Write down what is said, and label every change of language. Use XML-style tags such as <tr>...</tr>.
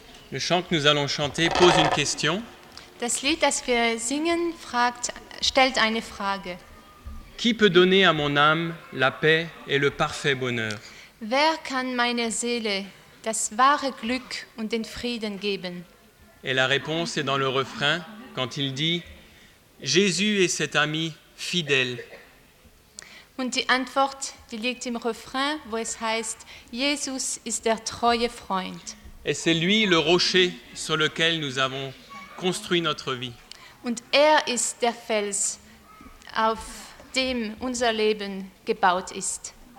<fr>Le chant que nous allons chanter pose une question.</fr> <de>Das Lied, das wir singen, stellt eine Frage.</de> <fr>Qui peut donner à mon âme la paix et le parfait bonheur?</fr> <de>Wer kann meiner Seele das wahre Glück und den Frieden geben?</de> <fr>Et la réponse est dans le refrain, quand il dit « Jésus est cet ami fidèle ».</fr> <de>Und die Antwort, die liegt im Refrain, wo es heißt « Jesus ist der treue Freund ».</de> <fr>Et c'est lui le rocher sur lequel nous avons construit notre vie.</fr> <de>Und er ist der Fels, auf dem unser Leben gebaut ist.</de>